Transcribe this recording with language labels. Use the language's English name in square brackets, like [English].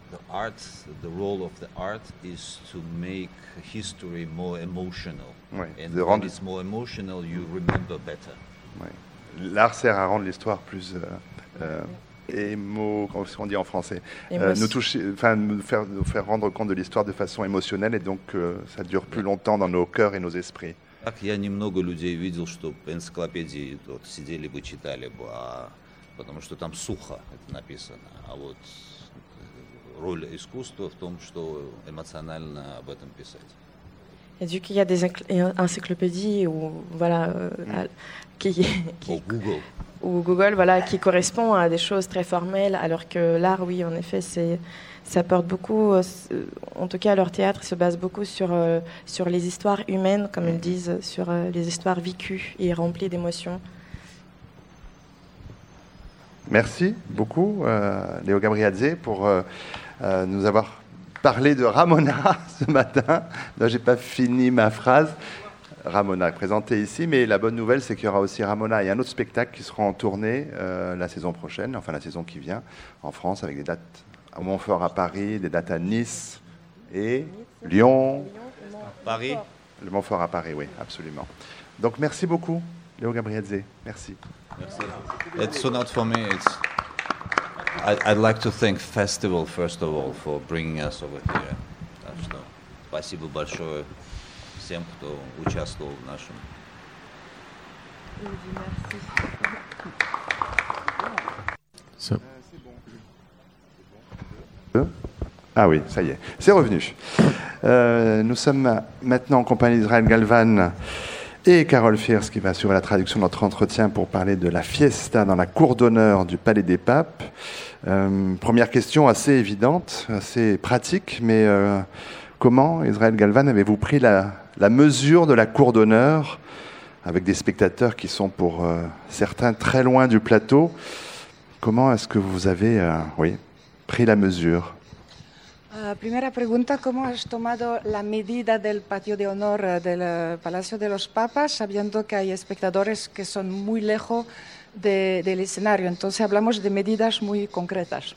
[English] Art, the role of the art is to make history more emotional. [French] Oui, [English] and when it's more emotional, you remember better. [French] Oui. L'art sert à rendre l'histoire plus comme on dit en français, nous toucher, enfin nous faire rendre compte de l'histoire de façon émotionnelle, et donc ça dure plus longtemps dans nos cœurs et nos esprits. [Russian] Так я немного людей видел, что энциклопедии вот сидели бы читали бы, потому что там сухо это написано, а вот роль искусства в том, что эмоционально об этом писать. [French] Et donc, il y a des encyclopédies ou voilà Google voilà qui correspond à des choses très formelles, alors que l'art, oui, en effet, ça porte beaucoup. En tout cas, leur théâtre se base beaucoup sur les histoires humaines, comme ils disent, sur les histoires vécues et remplies d'émotions. Merci beaucoup, Léo Gabriadze, pour nous avoir parlé de Ramona ce matin. Non, j'ai pas fini ma phrase. Ramona est présentée ici, mais la bonne nouvelle, c'est qu'il y aura aussi Ramona et un autre spectacle qui seront en tournée la saison prochaine, enfin la saison qui vient, en France, avec des dates à Montfort à Paris, des dates à Nice et Lyon, Paris. Le Montfort à Paris, oui, absolument. Donc merci beaucoup, Léo Gabrielzé. Merci. Merci. [English] It's so not for me. I'd like to thank Festival, first of all, for bringing us over here. [Russian] Так что спасибо большое всем, кто участвовал в нашем. [English] So. [French] Ah oui, ça y est, c'est revenu. Nous sommes maintenant en compagnie d'Israël Galvan et Carole Fierce qui va assurer la traduction de notre entretien pour parler de la fiesta dans la cour d'honneur du Palais des Papes. Première question assez évidente, assez pratique, mais comment, Israël Galvan, avez-vous pris la mesure de la cour d'honneur avec des spectateurs qui sont pour certains très loin du plateau? Comment est-ce que vous avez pris la mesure? [Spanish] Primera pregunta, ¿cómo has tomado la medida del patio de honor del Palacio de los Papas, sabiendo que hay espectadores que son muy lejos del escenario? Entonces hablamos de medidas muy concretas.